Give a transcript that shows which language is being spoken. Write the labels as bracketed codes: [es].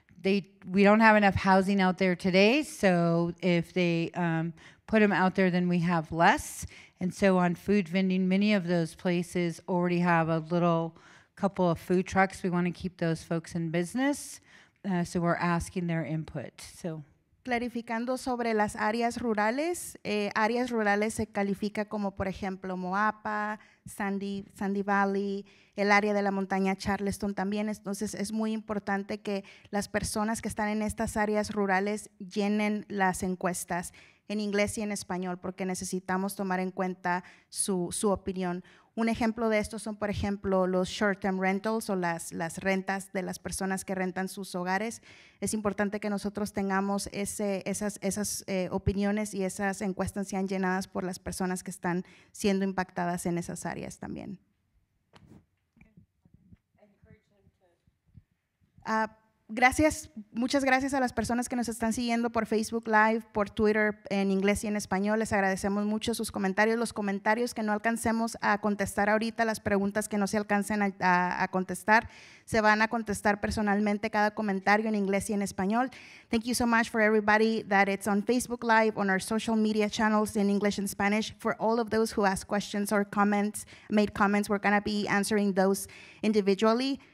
[en] We don't have enough housing out there today, so if they put them out there, then we have less. And so on food vending, many of those places already have a little couple of food trucks. We want to keep those folks in business, so we're asking their input. So, [es] clarificando sobre las áreas rurales se califica como, por ejemplo, Moapa, Sandy Valley, el área de la montaña Charleston también. Entonces, es muy importante que las personas que están en estas áreas rurales llenen las encuestas en inglés y en español, porque necesitamos tomar en cuenta su opinión. Un ejemplo de esto son, por ejemplo, los short-term rentals o las rentas de las personas que rentan sus hogares. Es importante que nosotros tengamos esas opiniones y esas encuestas sean llenadas por las personas que están siendo impactadas en esas áreas también. Gracias, muchas gracias a las personas que nos están siguiendo por Facebook Live, por Twitter, en inglés y en español. Les agradecemos mucho sus comentarios. Los comentarios que no alcancemos a contestar ahorita, las preguntas que no se alcancen a contestar, se van a contestar personalmente cada comentario en inglés y en español. [en] Thank you so much for everybody that it's on Facebook Live, on our social media channels in English and Spanish. For all of those who asked questions or comments, made comments, we're going to be answering those individually.